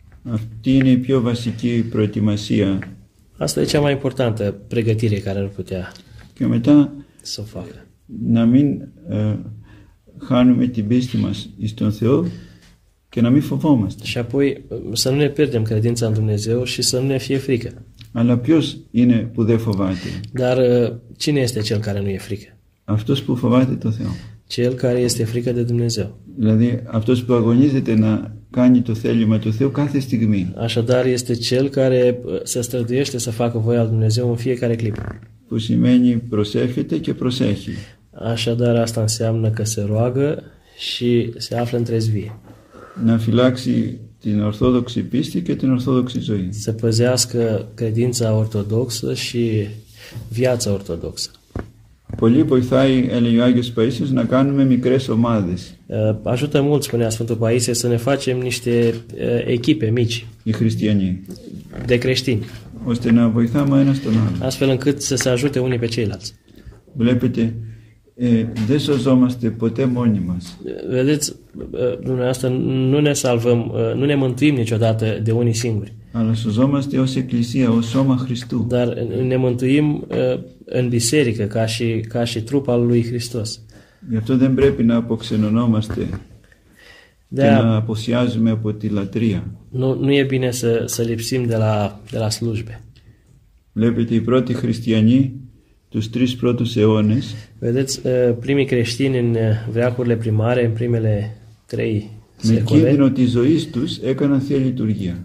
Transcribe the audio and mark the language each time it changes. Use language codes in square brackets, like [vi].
[el] Αυτή είναι η πιο βασική προετοιμασία. [ro] Asta e cea mai importantă pregătire care ar putea. [el] Και μετά [ro] să o facă. [el] Να μην χάνουμε την πίστη μας στον Θεό και να μην φοβόμαστε. [ro] Și apoi să nu ne pierdem credința în Dumnezeu și să nu ne fie frică. [el] Αλλά ποιος είναι που δεν φοβάται. [ro] Dar cine este cel care nu e frică? [el] Αυτός που φοβάται το Θεό. [ro] Cel care este frică de Dumnezeu. [el] Δηλαδή αυτός που αγωνίζεται να κάνει το θέλημα του Θεού κάθε στιγμή. [ro] Așadar este cel care se străduiește să facă voia lui Dumnezeu în fiecare clipă. [el] Που σημαίνει προσεύχεται και προσέχει. [ro] Așadar asta înseamnă că se roagă și se află în τρεσβία. [el] Να φυλάξει την ορθόδοξη πίστη και την ορθόδοξη ζωή. [ro] Să păzească credința ortodoxă și viața ortodoxă. [el] Πολύ βοηθάει, έλεγε ο Άγιος Παΐσιος, να κάνουμε μικρές ομάδες. [ro] Ajută mult, spunea Sfântul Paisie, să ne facem niște echipe mici. [el] Οι χριστιανοί. [ro] De creștini. [el] Ώστε να βοηθάμε ένας τον άλλον. [ro] Astfel încât să se ajute unii pe ceilalți. [el] Βλέπετε, δεν σωζόμαστε ποτέ μόνοι μας. [ro] Vedeți, dumneavoastră, nu ne salvăm, nu ne mântuim niciodată de unii singuri. [el] Αλλά σωζόμαστε ως εκκλησία, ως σώμα Χριστού. [ro] Dar ne mântuim în biserică, ca și trup al lui Hristos. [el] Γι' αυτό δεν πρέπει να αποξενωνόμαστε και να αποσιάζουμε από τη λατρεία. [ro] Nu e bine să lipsim de la slujbe. [el] Βλέπετε, οι πρώτοι χριστιανοί τους τρεις πρώτους αιώνες. [ro] Vedeți, primii creștini în veacurile primare, în primele trei [el] secole, με κίνδυνο της ζωής τους έκαναν Θεία Λειτουργία.